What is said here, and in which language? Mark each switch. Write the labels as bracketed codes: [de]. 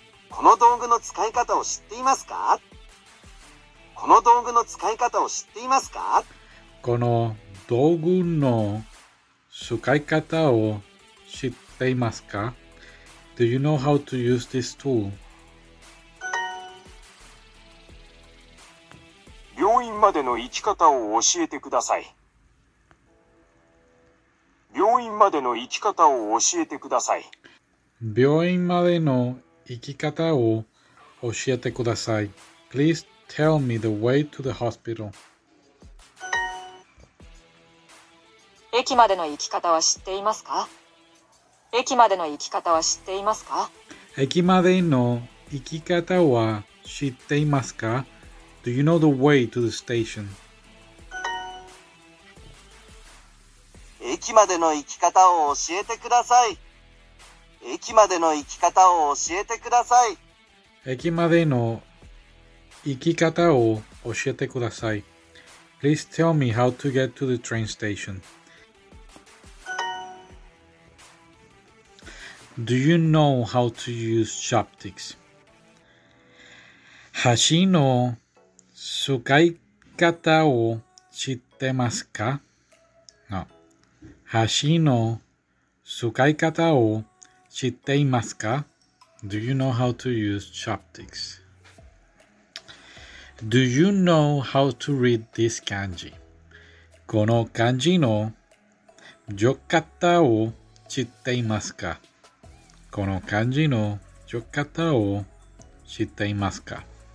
[ja] この道具の使い方を知っていますか？この道具の使い方を知っていますか？この道具の使い方を知っていますか？ [en] Do you know how to use this tool? [ja] 病院までの行き方を教えてください。病院までの行き方を教えてください。病院までの行き方を教えてください。 [en] Please tell me the way to the hospital. [ja] 駅までの行き方は知っていますか？駅までの行き方は知っていますか？駅までの行き方は知っていますか？ [en] Do you know the way to the station? [ja] 駅までの行き方を教えてください。駅までの行き方を教えてください。駅までの行き方を教えてください。 [en] Please tell me how to get to the train station. Do you know how to use chopsticks? [ja] 箸の使い方を知ってますか？箸の使い方を知っていますか？ [en] Do you know how to use chopsticks? Do you know how to read this kanji? [ja] この漢字の読み方を知っていますか？この漢字の読み方を知っていますか？